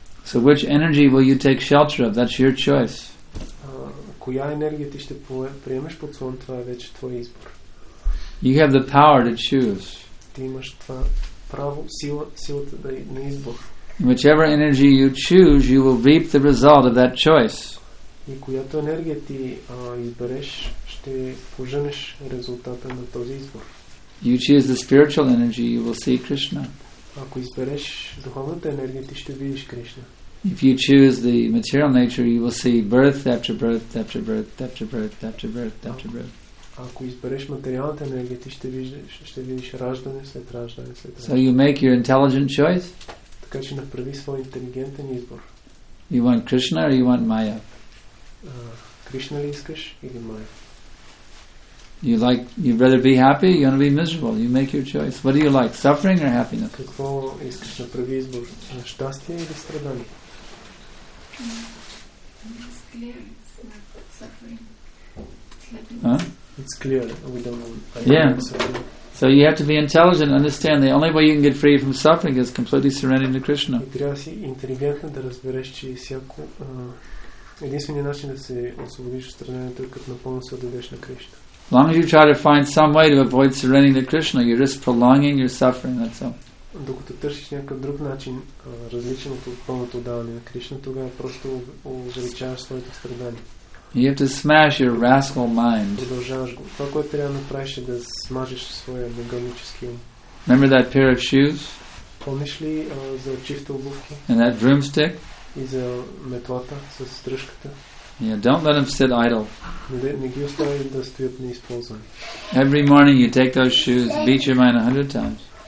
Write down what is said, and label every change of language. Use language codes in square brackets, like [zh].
[en] So which energy will you take shelter of? That's your choice. [bg] Коя енергия ти ще приемеш под слон, това е вече твой избор. [en] You have the power to choose. [bg] Ти имаш това право, силата да е на избор. [en] Whichever energy you choose, you will reap the result of that choice. [bg] И която енергия ти избереш, ще пожънеш резултата на този избор. [en] You choose the spiritual energy, you will see Krishna. [bg] Ако избереш духовната енергия, ти ще видиш Кришна. [en] If you choose the material nature, you will see birth after birth after birth after birth after birth after birth. [bg] Ако избереш материалната енергия, ти ще видиш раждане след раждане след раждане. [en] So you make your intelligent choice? [bg] Така че направи своя интелигентен избор. [en] You want Krishna or you want Maya? [bg] Кришна ли искаш или Maya? [en] You like, you'd rather be happy or you want to be miserable? You make your choice. What do you like, suffering or happiness? [bg] Какво искаш, направи избор, щастие или страдание? [en] It's clear, it's not suffering. It's clear, we don't know. So you have to be intelligent, understand the only way you can get free from suffering is completely surrendering to Krishna. [bg] Трябва да си интелигентен да разбереш, че всяко единственият начин да се освободиш от страданието е като напълно се отдадеш на Кришна. [en] As long as you try to find some way to avoid surrendering to Krishna, you're just prolonging your suffering, that's all. [bg] Докато търсиш някакъв друг начин, различен от пълното отдаване на Кришна, тогава просто увеличаваш своето страдание. [en] You have to smash your rascal mind. [bg] Продължаваш го. Това, което трябва да направиш, е да смажеш своя неграмически ум. [en] Remember that pair of shoes? [bg] Помниш ли за чифта обувки? [en] And that broomstick? [bg] И за метлата с дръжката? [en] Yeah, don't let them sit idle. Every morning you take those shoes, beat your mind 100 times.